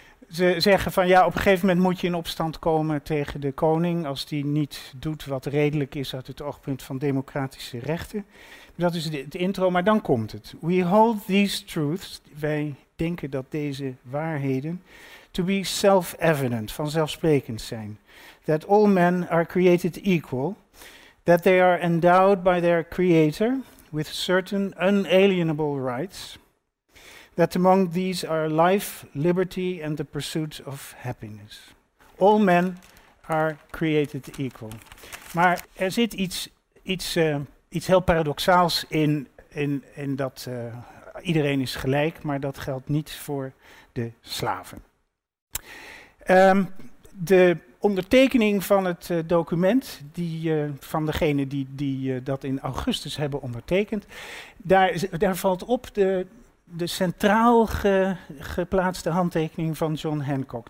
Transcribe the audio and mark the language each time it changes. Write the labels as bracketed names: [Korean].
[Dutch] Ze zeggen van ja, op een gegeven moment moet je in opstand komen tegen de koning als die niet doet wat redelijk is uit het oogpunt van democratische rechten. Dat is het intro, maar dan komt het. [English] We hold these truths, [Dutch] wij denken dat deze waarheden, [English] to be self-evident, [Dutch] vanzelfsprekend zijn. [English] That all men are created equal, that they are endowed by their creator with certain unalienable rights, that among these are life, liberty and the pursuit of happiness. All men are created equal. [Dutch] Maar er zit iets heel paradoxaals in dat iedereen is gelijk, maar dat geldt niet voor de slaven. De ondertekening van het document, van degene die dat in augustus hebben ondertekend, daar valt op de centraal geplaatste handtekening van John Hancock.